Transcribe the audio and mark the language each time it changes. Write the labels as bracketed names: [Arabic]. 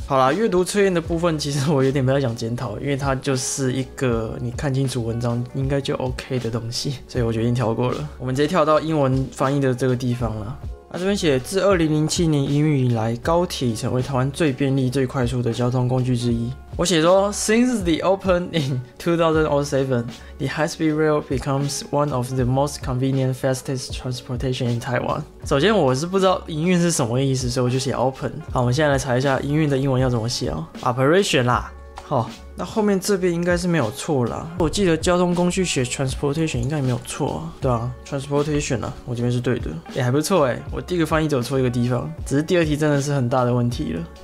[Chinese] 好啦，阅读测验的部分其实我有点不太想检讨，因为它就是一个你看清楚文章应该就 OK 的东西，所以我决定跳过了。我们直接跳到英文翻译的这个地方啦。那这边写自2007年英语以来，高铁成为台湾最便利最快速的交通工具之一。 [English] 我写说 Since the opening in 2007, the high speed rail becomes one of the most convenient fastest transportation in Taiwan。 [Chinese] 首先我是不知道营运是什么意思，所以我就写 open。好，我们现在来查一下营运的英文要怎么写哦。 operation 啦，好，那后面这边应该是没有错啦，我记得交通工具写 transportation 应该也没有错啊，对啊， transportation 啦，我这边是对的，也还不错。我第一个翻译只有错一个地方，只是第二题真的是很大的问题了。